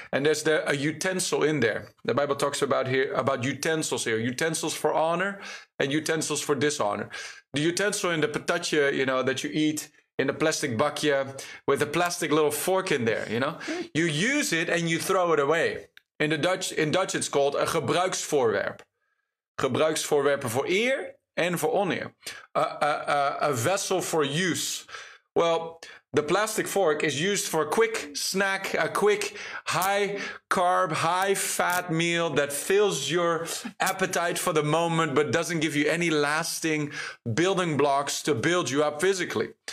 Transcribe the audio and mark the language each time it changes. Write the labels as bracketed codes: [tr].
[en] And there's a utensil in there. The Bible talks about utensils here. Utensils for honor and utensils for dishonor. The utensil in the patatje, you know, that you eat in the plastic bakje with a plastic little fork in there, you know. You use it and you throw it away. In Dutch, it's called a gebruiksvoorwerp. [nl] Gebruiksvoorwerpen voor eer en voor oneer. [en] A vessel for use. Well, the plastic fork is used for a quick snack, a quick high-carb, high-fat meal that fills your appetite for the moment but doesn't give you any lasting building blocks to build you up physically.